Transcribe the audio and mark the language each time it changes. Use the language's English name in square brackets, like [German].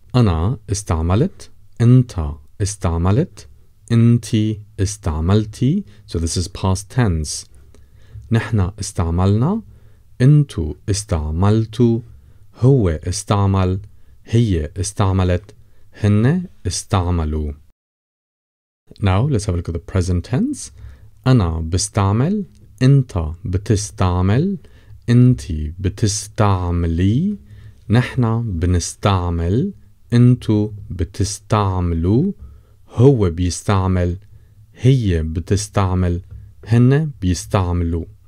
[Arabic] أنا استعملت, أنت استعملت, أنتي استعملتي. [English] So this is past tense. [Arabic] نحن استعملنا, أنتو استعملتو, هو استعمل, هي استعملت, هن استعملوا. [English] Now let's have a look at the present tense. [Arabic] أنا بستعمل, أنت بتستعمل, أنتي بتستعملي, نحن بنستعمل, أنتو بتستعملوا, هو بيستعمل, هي بتستعمل, هن بيستعملوا.